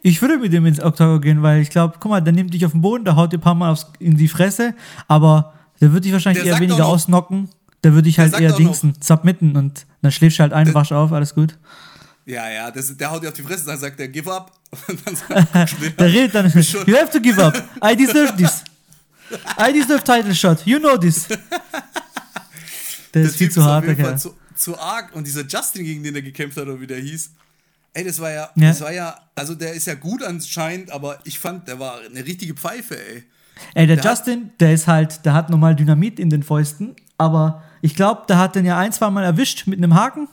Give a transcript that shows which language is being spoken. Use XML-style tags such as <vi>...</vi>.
<de>Ich würde mit dem ins Oktagon gehen, weil ich glaube, guck mal, der nimmt dich auf den Boden, der haut dir ein paar Mal in die Fresse, aber der würde dich wahrscheinlich eher weniger ausknocken. Da würde ich halt eher dingsen, submitten und dann schläfst du halt ein, wasch auf, alles gut. Ja, ja, der haut dir auf die Fresse, dann sagt der,</de> <en>give up.</en> <de>Und dann sagt, der redet dann,</de> <en>you have to give up, I deserve this. I deserve title shot, you know this.</en> <de>Der ist viel zu hart, der Kerl. Zu arg, und dieser Justin, gegen den er gekämpft hat, oder wie der hieß, ey, das war ja, also der ist ja gut anscheinend, aber ich fand, der war eine richtige Pfeife, ey. Ey, der Justin, der ist halt, der hat nochmal Dynamit in den Fäusten, aber ich glaube, der hat den ja ein, zwei Mal erwischt mit einem Haken.</de>